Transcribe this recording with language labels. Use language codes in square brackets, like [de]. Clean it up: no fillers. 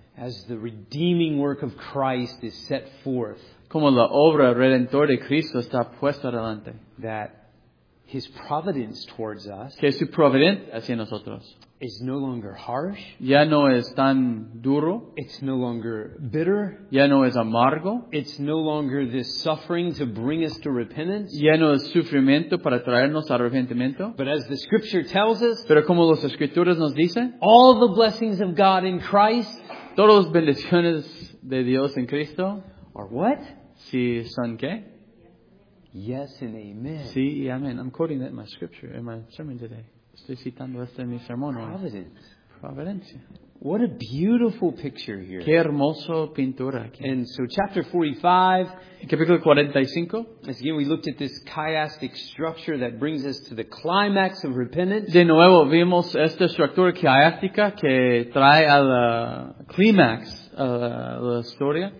[en] As the redeeming work of Christ is set forth. [es] Como la obra redentor de Cristo está puesta adelante. [en] That his providence towards us. [es] Que su providencia hacia nosotros. [en] Is no longer harsh. [es] Ya no es tan duro. [en] It's no longer bitter. [es] Ya no es amargo. [en] It's no longer this suffering to bring us to repentance. [es] Ya no es sufrimiento para traernos al arrepentimiento. [en] But as the scripture tells us. [es] Pero como las escrituras nos dicen. [en] All the blessings of God in Christ. [es] Todas las bendiciones de Dios en Cristo. [en] Are what? [es] Si son qué? [en] Yes and amen. [es] Si y amen. [en] I'm quoting that in my scripture, in my sermon today. [es] Estoy citando este en mi sermón. [en] Providencia. What a beautiful picture here. [es] Qué hermoso pintura aquí. [en] And so chapter 45. [es] Capítulo 45. [en] As again we looked at this chiastic structure that brings us to the climax of repentance. [es] De nuevo vimos esta estructura chiástica que trae al clímax a la historia.